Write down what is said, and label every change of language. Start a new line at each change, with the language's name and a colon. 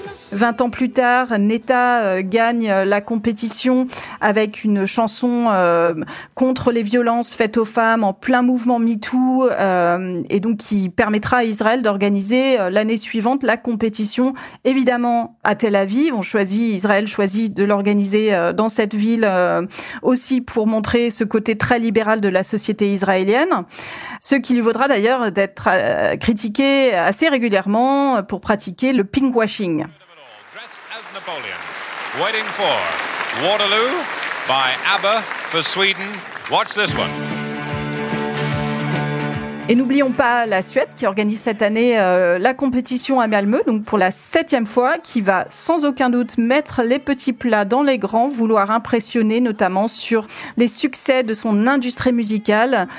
French: Vingt ans plus tard, Netta gagne la compétition avec une chanson contre les violences faites aux femmes en plein mouvement MeToo et donc qui permettra à Israël d'organiser l'année suivante la compétition, évidemment à Tel Aviv. Israël choisit de l'organiser dans cette ville aussi pour montrer ce côté très libéral de la société israélienne. Ce qui lui vaudra d'ailleurs d'être critiqué assez régulièrement pour pratiquer le pinkwashing.
English: Napoleon, waiting for Waterloo by ABBA for Sweden. Watch this one.
French: Et n'oublions pas la Suède qui organise cette année la compétition à Malmö, donc pour la 7e fois, qui va sans aucun doute mettre les petits plats dans les grands, vouloir impressionner notamment sur les succès de son industrie musicale.